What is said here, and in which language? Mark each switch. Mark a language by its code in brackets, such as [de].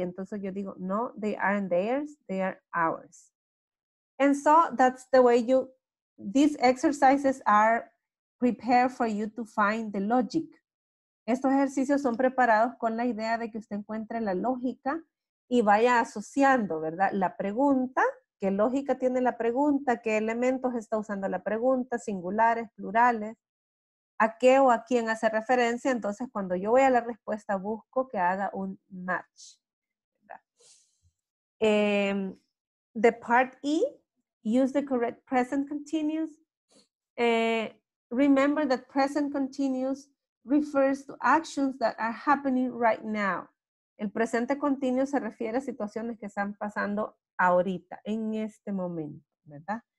[es] Entonces yo digo, no, [en] they aren't theirs, they are ours. And so that's the way you, these exercises are prepared for you to find the logic. [es] Estos ejercicios son preparados con la idea de que usted encuentre la lógica y vaya asociando, ¿verdad? La pregunta ¿Qué lógica tiene la pregunta? ¿Qué elementos está usando la pregunta? ¿Singulares, plurales? ¿A qué o a quién hace referencia? Entonces, cuando yo voy a la respuesta, busco que haga un match. [en] The part E, use the correct present continuous. Remember that present continuous refers to actions that are happening right now. [es] El presente continuo se refiere a situaciones que están pasando ahorita, en este momento, ¿verdad?